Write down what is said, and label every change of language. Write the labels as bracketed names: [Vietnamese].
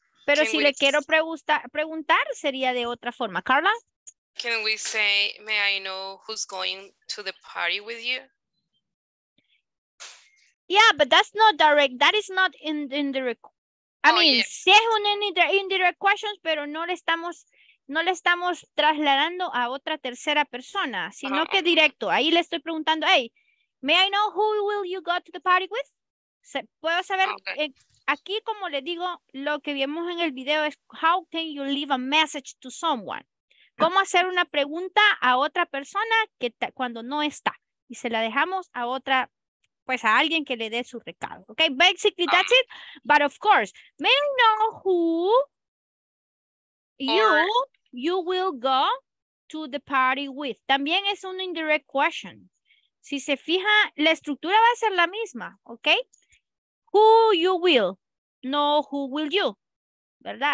[Spanish] pero can si le quiero preguntar, sería de otra forma. Carla? [English] Can we say, may I know who's going to the party with you? Yeah, but that's not direct. That is not indirect. [Spanish] Indirect questions, pero no le estamos trasladando a otra tercera persona, sino que directo. Ahí le estoy preguntando, [English] hey, may I know who will you go to the party with? [Spanish] Puedo saber, aquí como le digo, lo que vimos en el video es [English] how can you leave a message to someone? [Spanish] ¿Cómo hacer una pregunta a otra persona que cuando no está? Y se la dejamos a otra persona. Pues a alguien que le dé su recado. [English] Okay, basically that's it. But of course, may I know who you will go to the party with? [Spanish] También es un indirect question. Si se fija, la estructura va a ser la misma, okay? [English] Who you will, no who will you, ¿verdad?